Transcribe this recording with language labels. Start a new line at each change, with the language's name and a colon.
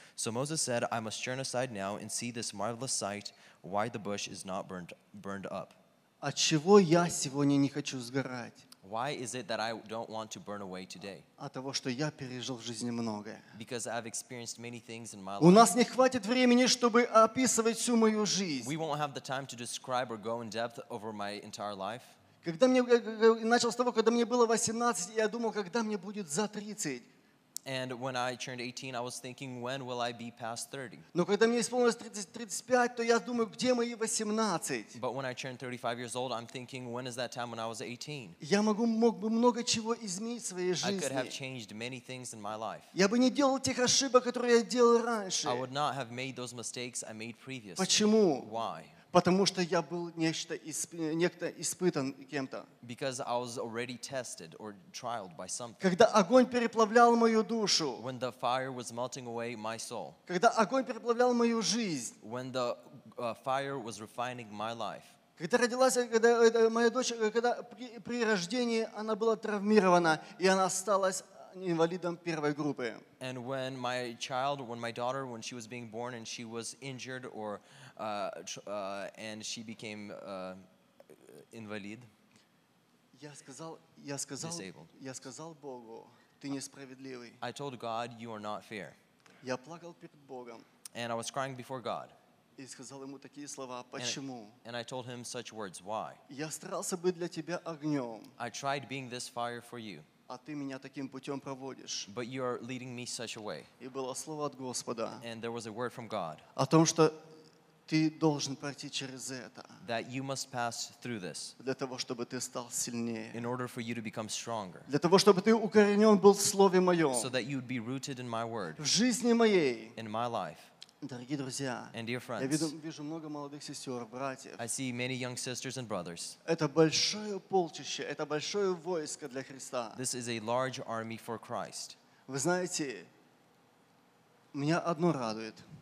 English: So Moses said, I must turn aside now and see this marvelous sight, why the bush is not burned up.
Russian: Отчего я сегодня не хочу сгорать?
English: Why is it that I don't want to burn away today?
Russian: От того, что я пережил в жизни многое.
English: Because I've experienced many things in my life.
Russian: У нас не хватит времени, чтобы описывать всю мою жизнь.
English: We won't have the time to describe or go in depth over my entire life.
Russian: Когда мне начал с того, когда мне было 18, я думал, когда мне будет за 30.
English: And when I turned 18, I was thinking, when will I be past 30?
Russian: Но когда мне исполнилось 30-35, то я думаю, где мои 18?
English: But when I turned 35 years old, I'm thinking, when is that time when I was 18?
Russian: Я мог бы много чего изменить в своей жизни.
English: I could have changed many things in my life.
Russian: Я бы не делал тех ошибок, которые я делал раньше.
English: I would not have made those mistakes I made previously.
Russian: Почему?
English: Why?
Russian: Потому что я был некто испытан кем-то.
English: Because I was already tested or trialed by something.
Russian: Когда огонь переплавлял мою душу.
English: When the fire was melting away my soul.
Russian: Когда огонь переплавлял мою жизнь.
English: When the fire was refining my life.
Russian: Когда родилась моя дочь, когда при рождении она была травмирована, и она осталась инвалидом первой группы.
English: And when my child, when my daughter, when she was being born and she was injured or and she became invalid.
Russian: Я сказал Богу, ты несправедливый.
English: I told God, you are not fair.
Russian: Я плакал перед Богом.
English: And I was crying before God.
Russian: И сказал ему такие слова, почему?
English: And I told him such words, why?
Russian: Я старался быть для тебя огнем.
English: I tried being this fire for you.
Russian: А ты меня таким путем проводишь.
English: But you are leading me such a way.
Russian: И было слово от Господа.
English: And there was a word from God.
Russian: О том, что ты должен пройти через это.
English: That you must pass through this.
Russian: Для того, чтобы ты стал сильнее.
English: In order for you to become stronger.
Russian: Для того, чтобы ты укоренен был в слове моем.
English: So that you'd be rooted in my word.
Russian: В жизни моей.
English: In my life.
Russian: Дорогие друзья.
English: And dear friends.
Russian: Я вижу много молодых сестер, братьев.
English: I see many young sisters and brothers.
Russian: Это большое полчище, это большое войско для Христа.
English: This is a large army for Christ.
Russian: Вы знаете, меня одно радует.